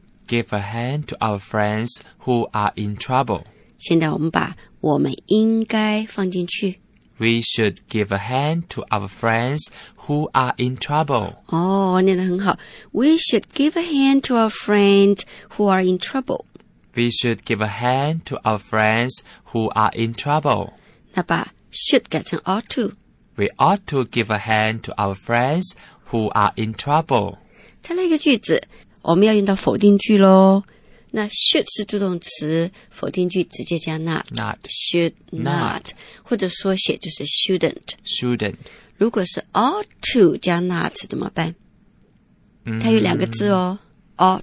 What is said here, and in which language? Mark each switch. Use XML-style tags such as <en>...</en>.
<en>give a hand to our friends who are in trouble。</en> <zh>现在我们把我们应该放进去，</zh> <en>We should give a hand to our friends who are in trouble。</en> <zh>哦，念得很好，</zh> <en>We should give a hand to our friends who are in trouble， We should give a hand to our friends who are in trouble。</en> <zh>那把should 改成 ought to，</zh> <en>We ought to give a hand to our friends who are in trouble。</en> <zh>再来一个句子，我们要用到否定句咯。那 should 是助动词，否定句直接加 not，</zh> <en>not</en> <zh>should not， 或者缩写就是 shouldn't，</zh> <en>shouldn't。</en> <zh>如果是 ought to 加 not 怎么办？它有两个字哦、mm-hmm.</zh>